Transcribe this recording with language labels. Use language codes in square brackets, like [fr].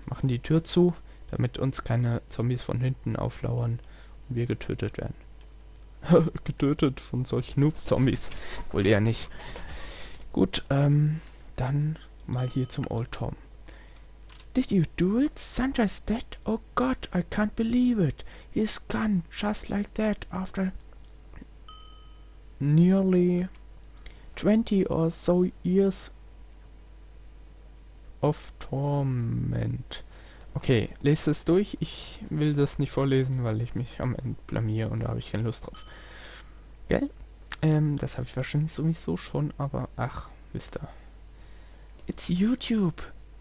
[de] Machen die Tür zu, damit uns keine Zombies von hinten auflauern und wir getötet werden. Getötet von solchen Noob-Zombies. Wohl eher nicht. Gut, dann mal hier zum Old Tom. [en] Did you do it? Santa is dead? [de] Oh Gott, [en] I can't believe it. He is gone, just like that, after nearly 20 or so years of torment. [de] Okay, lest es durch. Ich will das nicht vorlesen, weil ich mich am Ende blamier und da habe ich keine Lust drauf. Gell? Das habe ich wahrscheinlich sowieso schon, aber ach, wisst ihr. [en] It's YouTube!